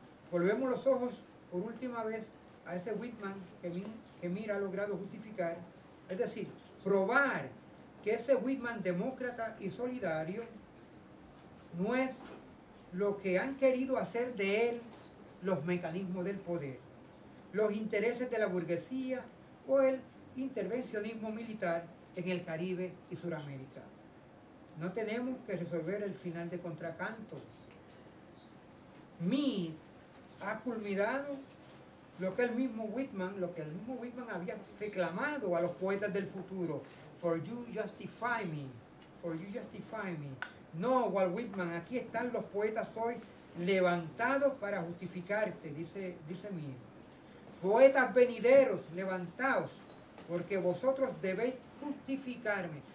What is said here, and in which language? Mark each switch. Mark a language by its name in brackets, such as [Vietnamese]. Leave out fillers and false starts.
[Spanish] Volvemos los ojos por última vez a ese Whitman que Mir ha logrado justificar, es decir, probar que ese Whitman demócrata y solidario no es lo que han querido hacer de él los mecanismos del poder, los intereses de la burguesía o el intervencionismo militar en el Caribe y Sudamérica. No tenemos que resolver el final de Contracanto. Mir ha culminado lo que el mismo Whitman había reclamado a los poetas del futuro. [English] For you justify me, for you justify me. [Spanish] No, Walt Whitman, aquí están los poetas hoy levantados para justificarte, dice Mir. Poetas venideros, levantaos, porque vosotros debéis justificarme.